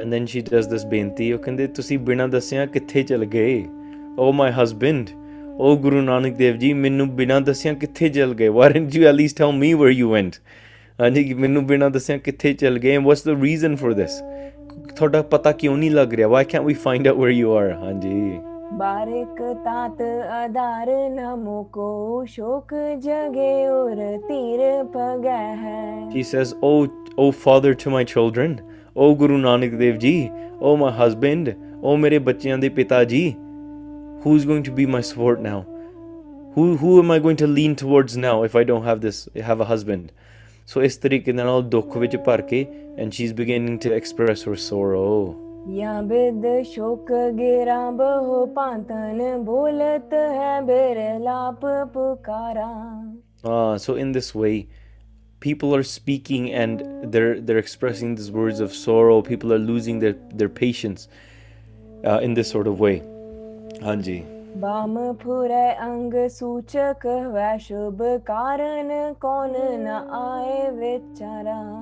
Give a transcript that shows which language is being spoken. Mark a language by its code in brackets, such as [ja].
[en] And then she does this binti, [pa] oh kande tusi bina dasyan kithe chal gaye? [en] Oh my husband, [pa] oh Guru Nanak Dev Ji, minnu bina dasyan kithe chal gaye? [en] Why didn't you at least tell me where you went? Haanji, [pa] minnu bina dasyan kithe chal gaye? [en] What's the reason for this? [pa] Thoda pata kyon nahi lag reha? [en] Why can't we find out where you are? [pa] Haanji. ਬਾਰਕ ਤਾਤ ਆਧਾਰ ਨਮੋ ਕੋ ਸ਼ੋਕ ਜਗੇ ਔਰ ਤੀਰ ਪਗੈ ਹੈ. [en] He says, oh father to my children, oh Guru Nanak Dev Ji, oh my husband, oh [pa] mere bachiyan de pita ji, [en] who is going to be my support now? Who am I going to lean towards now if I don't have a husband? So [pa] is tarike de naal dukh vich bhar ke, [en] and she's beginning to express her sorrow. [pa] ਯਾ ਬਿਦ ਸ਼ੋਕ ਗੇਰਾ ਬਹੁ ਪਾਂਤਨ ਬੋਲਤ ਹੈ ਬਿਰ ਲਾਪ ਪੁਕਾਰਾ. [en] So in this way, people are speaking and they're expressing these words of sorrow. People are losing their patience in this sort of way. [pa] Haanji. Balm ਪੁਰੇ ਅੰਗ ਸੂਚਕ ਵੈ ਸ਼ੁਭ ਕਾਰਨ ਕੌਣ ਨਾ ਆਏ ਵਿਚਾਰਾ.